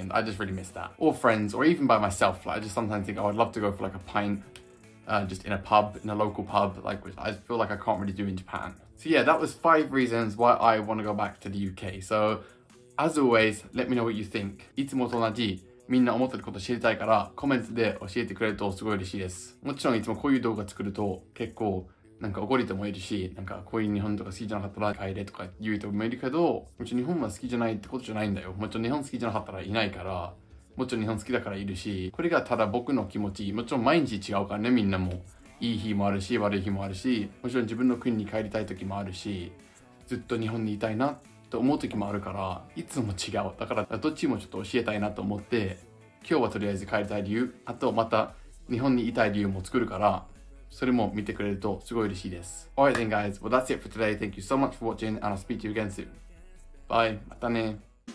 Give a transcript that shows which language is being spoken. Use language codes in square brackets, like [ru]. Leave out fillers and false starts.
[en] And I just really miss that. Or friends, or even by myself. Like, I just sometimes think, oh, I'd love to go for like a pint, just in a pub, in a local pub, like, which I feel like I can't really do in Japan. So yeah, that was five reasons why I want to go back to the UK. So as always, let me know what you think. [ja] いつもと同じ。みんな思ってること知りたいからコメントで教えてくれるとすごい嬉しいです。もちろんいつもこういう動画作ると結構なんか怒りともいるし、なんかこういう日本とか好きじゃなかったら帰れとか言う人もいるけど、もちろん日本は好きじゃないってことじゃないんだよ。もちろん日本好きじゃなかったらいないから、もちろん日本好きだからいるし、これがただ僕の気持ち、もちろん毎日違うからね、みんなも。いい日もあるし、悪い日もあるし、もちろん自分の国に帰りたい時もあるし、ずっと日本にいたいな。思う時もあるからいつも違う。だからどっちもちょっと教えたいなと思って、今日はとりあえず帰りたい理由、あとまた日本にいたい理由も作るから、それも見てくれるとすごい嬉しいです。 [en] Alright then guys, well that's it for today. Thank you so much for watching and I'll speak to you again soon. Bye. [ja] またね。